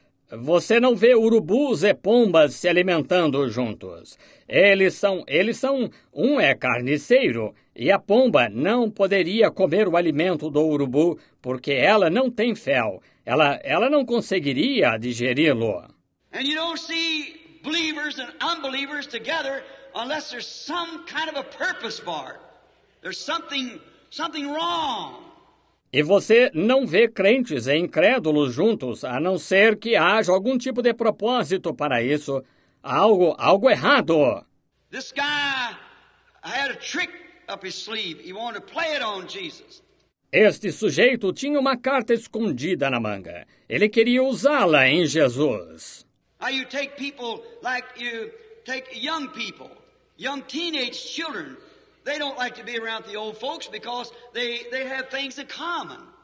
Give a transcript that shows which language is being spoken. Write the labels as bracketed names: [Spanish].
[Portuguese] Você não vê urubus e pombas se alimentando juntos. Eles são, um é carniceiro e a pomba não poderia comer o alimento do urubu porque ela não tem fel. Ela não conseguiria digeri-lo. [English] And you don't see believers and unbelievers together unless there's some kind of a purpose bar. There's something wrong. [Portuguese] E você não vê crentes e incrédulos juntos, a não ser que haja algum tipo de propósito para isso. Algo errado. [English] This guy had a trick up his sleeve. He wanted to play it on Jesus. [Portuguese] Este sujeito tinha uma carta escondida na manga. Ele queria usá-la em Jesus. [English] Now you take people like you take young people, young teenage children. They don't like to be around the old folks because they have things in common.